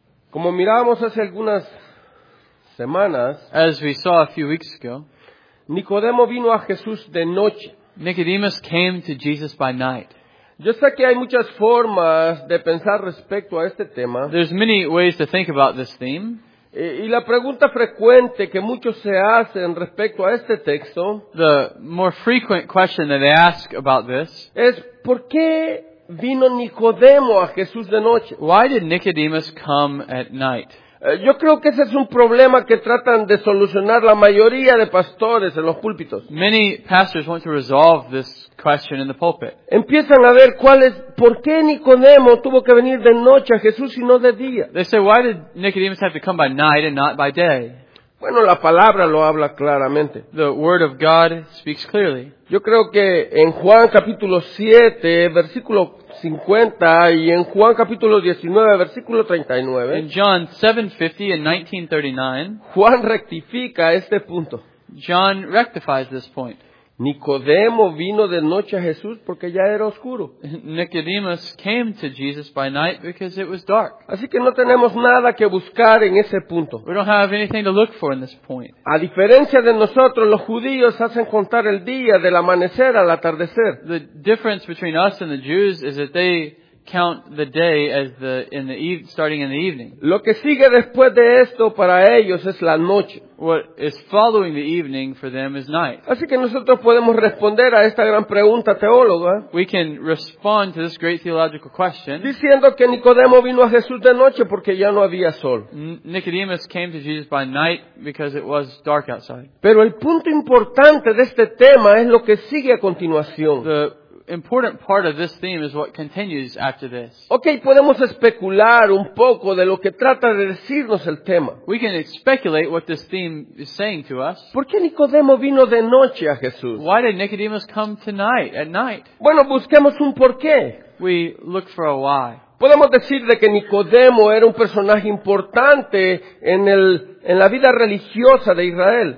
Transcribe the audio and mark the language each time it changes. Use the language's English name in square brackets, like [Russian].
[Spanish] Como miramos hace algunas semanas, [English] as we saw a few weeks ago, [Spanish] Nicodemo vino a Jesús de noche. [English] Nicodemus came to Jesus by night. [Spanish] Yo sé que hay muchas formas de pensar respecto a este tema. [English] There's many ways to think about this theme. [Spanish] Y la pregunta frecuente que muchos se hacen respecto a este texto, [English] the more frequent question that they ask about this, [Spanish] es ¿por qué vino Nicodemo a Jesús de noche? [English] Why did Nicodemus come at night? [Spanish] Yo creo que ese es un problema que tratan de solucionar la mayoría de pastores en los púlpitos. [English] Many pastors want to resolve this question in the pulpit. [Spanish] Empiezan a ver cuál es, ¿por qué Nicodemo tuvo que venir de noche a Jesús y no de día? [English] They say, why did Nicodemus have to come by night and not by day? [Spanish] Bueno, la palabra lo habla claramente. [English] The word of God speaks clearly. [Spanish] Yo creo que en Juan capítulo 7, versículo 50 y en Juan capítulo 19, versículo 39. [English] In John 7:50 and 19:39. [Spanish] Juan rectifica este punto. [English] John rectifies this point. [Spanish] Nicodemo vino de noche a Jesús porque ya era oscuro. [English] Nicodemus came to Jesus by night because it was dark. [Spanish] Así que no tenemos nada que buscar en ese punto. [English] We don't have anything to look for in this point. [Spanish] A diferencia de nosotros, los judíos hacen contar el día del amanecer al atardecer. [English] The difference between us and the Jews is that they count the day as the in the eve, starting in the evening. [Spanish] Lo que sigue después de esto para ellos es la noche. [English] What is following the evening for them is night. [Spanish] Así que nosotros podemos responder a esta gran pregunta teóloga. [English] We can respond to this great theological question. [Spanish] Diciendo que Nicodemo vino a Jesús de noche porque ya no había sol. [English] Nicodemus came to Jesus by night because it was dark outside. [Spanish] Pero el punto importante de este tema es lo que sigue a continuación. [English] The important part of this theme is what continues after this. [Spanish] Okay, podemos especular un poco de lo que trata de decirnos el tema. [English] We can speculate what this theme is saying to us. [Spanish] ¿Por qué Nicodemo vino de noche a Jesús? [English] Why did Nicodemus come tonight at night? [Spanish] Bueno, busquemos un porqué. [English] We look for a why. [Spanish] Podemos decir de que Nicodemo era un personaje importante en la vida religiosa de Israel.